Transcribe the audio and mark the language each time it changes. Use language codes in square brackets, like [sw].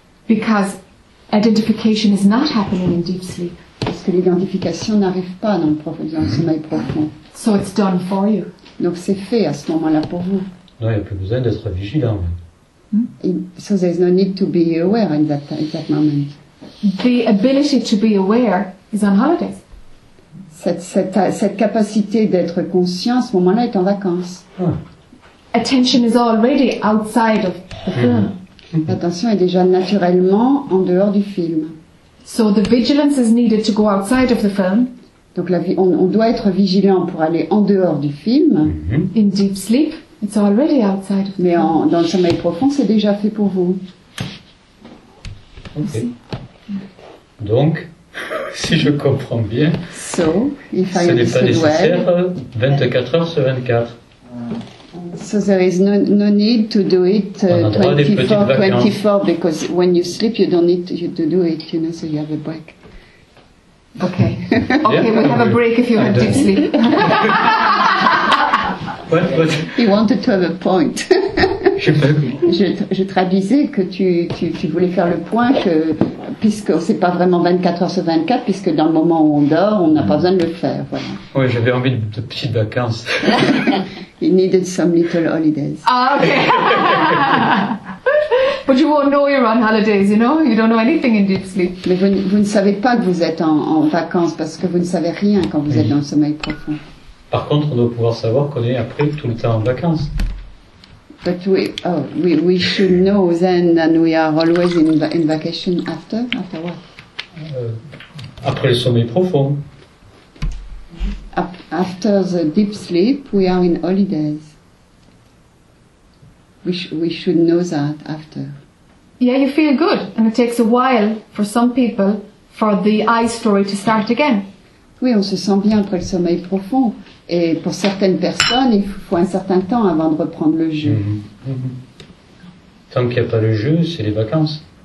[en] Because identification is not happening in deep sleep. [fr] Parce que l'identification n'arrive pas dans le sommeil profond. [en] So it's done for you. [fr] Donc c'est fait à ce moment-là pour vous. Non, il n'y a plus besoin d'être vigilant. [en] So there's no need to be aware at that moment. The ability to be aware is on holidays. [fr] Cette capacité d'être conscient à ce moment-là est en vacances. [en] Ah. Attention is already outside of the film. Mm-hmm. [fr] L'attention est déjà naturellement en dehors du film. [en] So the vigilance is needed to go outside of the film. [fr] Donc on doit être vigilant pour aller en dehors du film. Mm-hmm. [en] In deep sleep, it's already outside of the [fr] Mais [en] film. [fr] Mais dans le sommeil profond, c'est déjà fait pour vous. Ok. Donc, si je comprends bien, [en] so, [fr] ce n'est pas nécessaire 24 heures sur 24. [en] So there is no need to do it 24 because when you sleep you don't need to do it, you know, so you have a break. Okay, yeah, we'll have a break if you have deep sleep. What? He wanted to have a point. [fr] je traduisais que tu voulais faire le point que, puisque c'est pas vraiment 24 heures sur 24, puisque dans le moment où on dort, on n'a pas besoin de le faire. Voilà. Oui, j'avais envie de petites vacances. [en] He needed some little holidays. Ah, okay. But you won't know you're on holidays, you know? You don't know anything in deep sleep. [fr] Mais vous ne savez pas que vous êtes en vacances parce que vous ne savez rien quand vous êtes dans le sommeil profond. Par contre, on doit pouvoir savoir qu'on est après tout le temps en vacances. [en] But we should know then that we are always in vacation after what? [fr] Après le sommeil profond. [en] After the deep sleep, we are in holidays. We should know that after. Yeah, you feel good, and it takes a while for some people for the I story to start again. [fr] Oui, on se sent bien après le sommeil profond. Et pour certaines personnes, il faut un certain temps avant de reprendre le jeu. Tant qu'il n'y a pas le jeu, c'est les vacances.